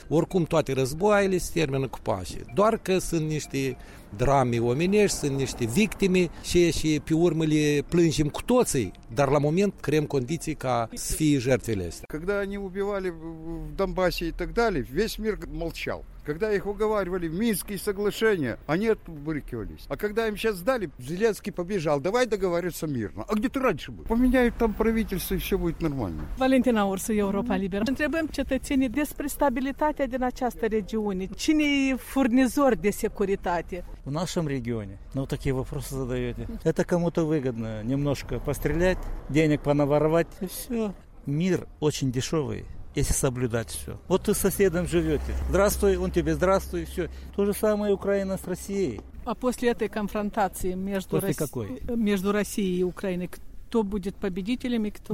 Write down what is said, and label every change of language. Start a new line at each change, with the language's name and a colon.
Romanian: Oricum toate războaiele se termină cu pașii. Doar că sunt niște drame omenești, sunt niște victime și pe urmă le plângem cu toții, dar la moment creăm condiții ca să fie jertfele astea. Când ne
Russian: ubivali în Donbasie și tak dali, весь мир молчал. Когда их уговаривали в Минские соглашения, они отбрыкивались. А когда им сейчас сдали, Зеленский побежал. Давай договариваться мирно. А где ты раньше был? Поменяют там правительство, и все будет нормально. Валентина Урсу, Европа Либер.
Romanian: Întrebăm cetățenii despre stabilitatea din această regiune. Cine e furnизор de securitate?
Russian: В нашем регионе? Ну, такие вопросы задаете. Это кому-то выгодно. Немножко пострелять, денег понаворовать, и все. Мир очень дешевый. Если соблюдать все. Вот ты с соседом живете. Здравствуй, он тебе здравствуй, все. То же самое Украина с Россией. А после этой конфронтации между Россией и Украиной, кто будет победителем и кто...